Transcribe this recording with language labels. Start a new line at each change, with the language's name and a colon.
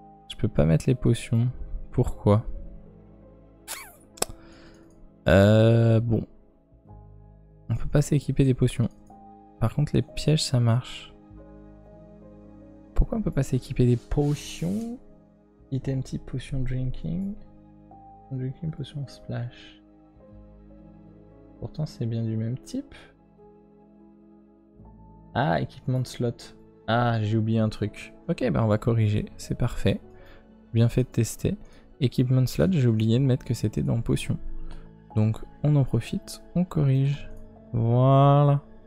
French: Je peux pas mettre les potions. Pourquoi? Bon. On peut pas s'équiper des potions. Par contre, les pièges, ça marche. Pour pourquoi on peut pas s'équiper des potions?
English: Item type potion drinking. Potion drinking, potion splash.
French: Pourtant c'est bien du même type. Ah, équipement de slot. Ah, j'ai oublié un truc. Ok, bah on va corriger, c'est parfait. Bien fait de tester. Equipment slot, j'ai oublié de mettre que c'était dans potion. Donc on en profite, on corrige. Voilà.